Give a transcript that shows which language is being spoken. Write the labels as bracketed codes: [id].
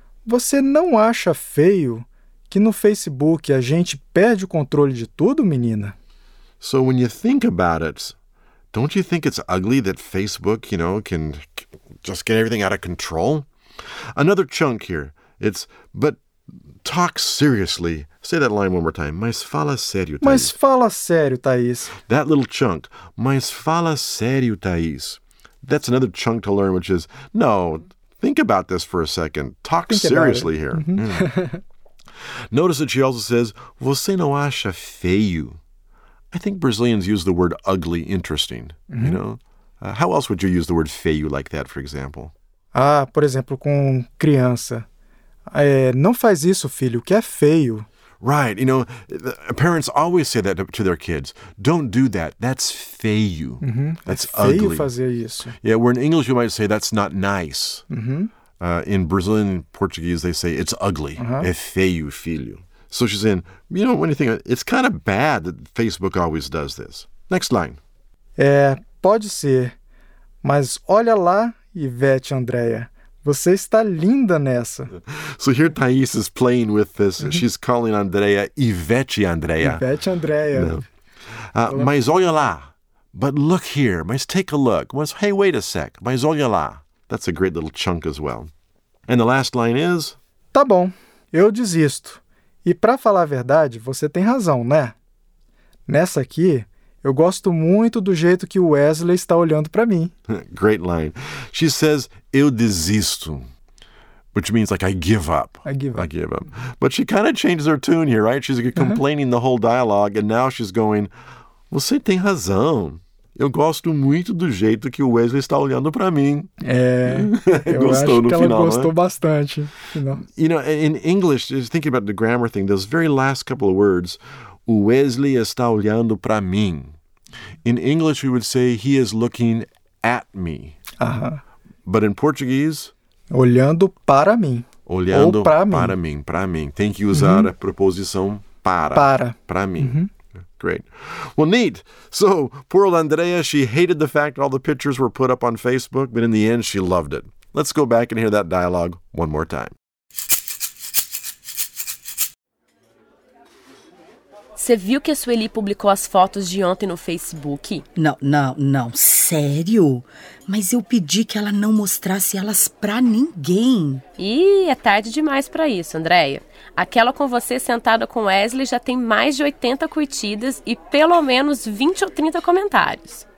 [pt] Você não acha feio... que no Facebook a gente perde o controle de tudo, menina? [en] So when you think about it, don't you think it's ugly that Facebook, you know, can just get everything out of control? Another chunk here. It's, but talk seriously. Say that line one more time. [pt] Mas fala sério, Thaís. Mas fala sério, Thaís. [en] That little chunk. [pt] Mas fala sério, Thaís. [en] That's another chunk to learn, which is, no, think about this for a second. Talk think seriously about it. Here. Mm-hmm. Notice that she also says, [pt] você não acha feio? [en] I think Brazilians use the word ugly interesting, mm-hmm. you know? How else would you use the word feio like that, for example? [pt] Ah, por exemplo, com criança. Não faz isso, filho, que é feio. [en] Right, you know, parents always say that to their kids. Don't do that. That's feio. Mm-hmm. That's [pt] é feio [en] ugly. [pt] Fazer isso. [en] Yeah, where in English you might say that's not nice. Mm-hmm. In Brazilian Portuguese they say it's ugly. Uh-huh. [pt] É feio, filho. [en] So she's saying, you know, when you think, it's kind of bad that Facebook always does this. Next line. [pt] É, pode ser. Mas olha lá, Ivete Andréia. Você está linda nessa. [en] So here Thaís is playing with this. She's calling Andrea Ivete Andrea. Ivete Andrea. No. [pt] Mas olha lá. [en] But look here. Mas take a look. Mas, hey, wait a sec. [pt] Mas olha lá. [en] That's a great little chunk as well. And the last line is... [pt] Tá bom. Eu desisto. E para falar a verdade, você tem razão, né? Nessa aqui... Eu gosto muito do jeito que o Wesley está olhando para mim. [en] Great line. She says, [pt] eu desisto, [en] which means like I give up. I give up. But she kind of changes her tune here, right? She's complaining the whole dialogue, and now she's going, [pt] você tem razão. Eu gosto muito do jeito que o Wesley está olhando para mim. É, gostou eu acho no que final, ela gostou né? bastante. [en] You know, in English, just thinking about the grammar thing, those very last couple of words, [pt] o Wesley está olhando para mim. [en] In English, we would say, he is looking at me. Uh-huh. But in Portuguese? [pt] Olhando para mim. Olhando para mim. Para mim, para mim. Tem que usar a preposição para. Para. Para mim. [en] Uh-huh. Great. Well, neat. So, poor old Andrea, she hated the fact all the pictures were put up on Facebook, but in the end, she loved it. Let's go back and hear that dialogue one more time. [pt] Você viu que a Sueli publicou as fotos de ontem no Facebook? Não. Sério? Mas eu pedi que ela não mostrasse elas pra ninguém. Ih, é tarde demais pra isso, Andréia. Aquela com você sentada com Wesley já tem mais de 80 curtidas e pelo menos 20 ou 30 comentários.